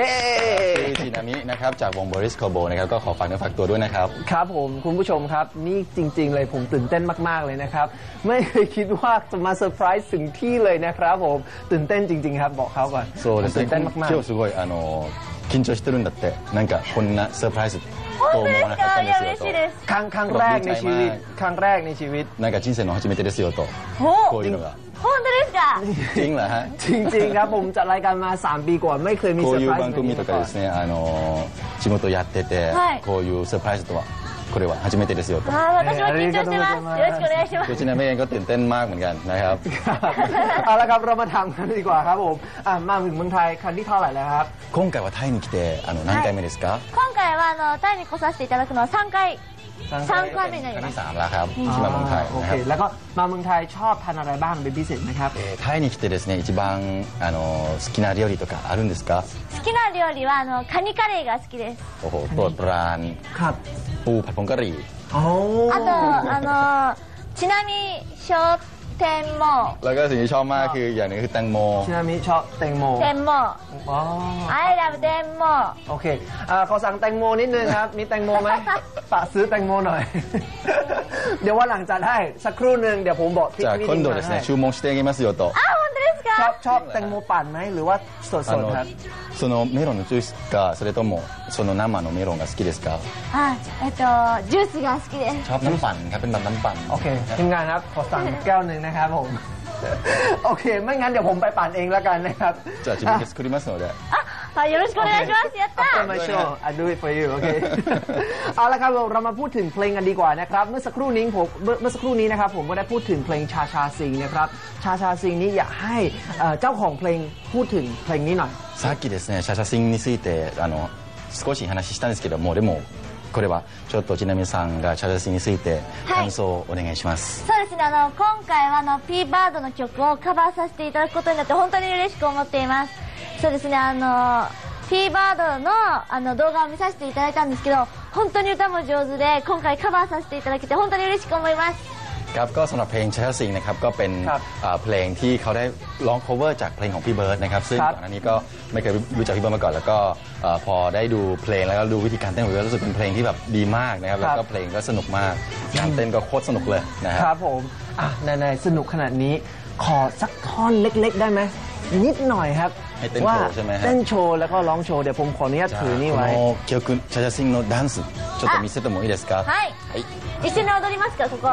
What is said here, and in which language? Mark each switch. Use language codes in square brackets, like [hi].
[th] ชินามินะครับจากวงบริสโคโบนะครับก็ขอฝากเนื้อฝากตัวด้วยนะครับ ครับผมคุณผู้ชมครับนี่จริงๆเลยผมตื่นเต้นมากๆเลยนะครับไม่เคยคิดว่าจะมาเซอร์ไพรส์ถึงที่เลยนะครับผมตื่นเต้นจริงๆครับบอกเขาก่อน โซ่ตื่นเต้นมากๆ [ja] 今日すごいあの緊張してるんだってなんかこんなเซอร์ไพรส์と思わなかったんですよと [th] ครั้งแรกในชีวิต [ja] なんか人生の初めてですよとこういうのが本当ですか？ [th] จริงเหรอฮะ จริงๆครับผมจัดรายการมา3ปีกว่าไม่เคยมีเซอร์ไพรส์ [ja] こういう番組とかですね仕事やっててこういうเซอร์ไพรส์とはこれは初めてですよと私も緊張してますよろしくお願いしますちなみに [th] ก็ตื่นเต้นมากเหมือนกันนะครับ เอาละครับเรามาทำกันดีกว่าครับผมมาถึงเมืองไทยครั้งที่เท่าไหร่แล้วครับ [ja] 今回はタイに来て何回目ですか今回はタイに来させていただくのは3回 3 [th] ครั้งใน นี้3แล้วครับที่มาเมืองไทยนะครับ แล้วก็มาเมืองไทยชอบทานอะไรบ้างเป็นพิเศษมั้ยครับ [ja] タイに来てですね一番好きな料理とかあるんですか好きな料理はカニカレーが好きです [th] โอ้โหตัวปลา ครับ ปูผัดผงกะหรี่อ๋ออ ะตอ [ja] ちなみに [th] ชอบแตงโม แล้วก็สิ่งที่ชอบมากคืออย่างนึงคือแตงโม ชินามิชอบแตงโม แตงโม [en] I love [th] แตงโม โอเคขอสั่งแตงโมนิดนึงครับมีแตงโมไหมฝากซื้อแตงโมหน่อยเดี๋ยววันหลังจะได้สักครู่นึงเดี๋ยวผมบอก พี่ที่นี่จะคุณโดดชูมงสเต็งกิมัสโยโต ชอบแตงโมปั่นไหมหรือว่าสดๆครับ [ja] そのメロンのジュースかそれともその生のメロンが好きですかジュースが好きです [th] ชอบน้ำปั่นครับเป็นแบบน้ำปั่น โอเคทีมงานครับขอสั่งแก้วหนึ่งนะครับผมโอเคไม่งั้นเดี๋ยวผมไปปั่นเองแล้วกันนะครับ จะชิมกันสักครู่นึงเดี๋ยว [ja] よろしくお願いします。やった。 [en] Okay, my show. I do it for you. Okay. [th] เอาละครับเรามาพูดถึงเพลงกันดีกว่านะครับเมื่อสักครู่นี้นะครับผมก็ได้พูดถึงเพลงชาชาซิงนะครับชาชาซิงนี้อยากให้เจ้าของเพลงพูดถึงเพลงนี้หน่อย [ja] さっきですね、シャシャシンについて少し話したんですけども、でもこれはちょっとちなみさんがシャシャシンについて感想をお願いします。そうですね。今回はP バードの曲をカバーさせていただくことになって本当に嬉しく思っています。そうですね、Pバードの、動画を見させていただいたんですけど本当に歌も上手で今回カバーさせていただけて本当に嬉しく思います [th] ครับก็สำหรับเพลงชาชาซิงนะครับก็เป็นเพลงที่เขาได้ร้องโคเวอร์จากเพลงของพี่เบิร์ดนะครับซึ่งก่อนหน้านี้ก็ไม่เคยรู้จักพี่เบิร์ดมาก่อนแล้วก็พอได้ดูเพลงแล้วก็ดูวิธีการเต้นของเขารู้สึกเป็นเพลงที่แบบดีมากนะครับแล้วก็เพลงก็สนุกมากการเต้นก็โคตรสนุกเลยนะครับ ครับผมในสนุกขนาดนี้ขอสักท่อนเล็กๆได้ไหมนิดหน่อยครับ ว่ าเต้นโชว์แล้วก็ร้องโชว์เดี๋ยวผมขออนุญาตถือนี่ไว้ [ja] この曲チャチャシンのダンスちょっと見せてもいいですかはい一緒に踊りますかここ